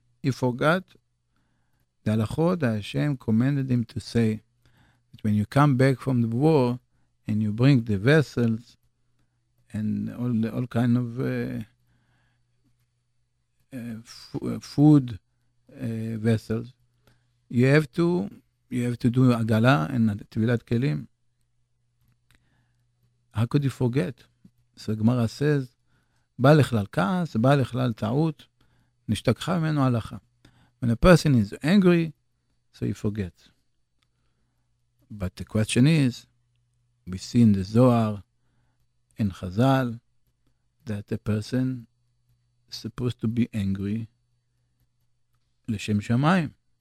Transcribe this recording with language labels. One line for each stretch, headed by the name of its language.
English: He forgot the הלכות Hashem commanded him to say, that when you come back from the war and you bring the vessels and all kind of food vessels, you have to do agala and tevilat kelim. How could you forget?
Hebrew: So Gemara says, בא לכלל כעס, בא לכלל טעות, נשתכחה ממנו הלכה.
English: When a person is angry, so he forgets. But the question is, we see in the Zohar, in Chazal, that a person is supposed to be angry
Hebrew: לשם שמיים.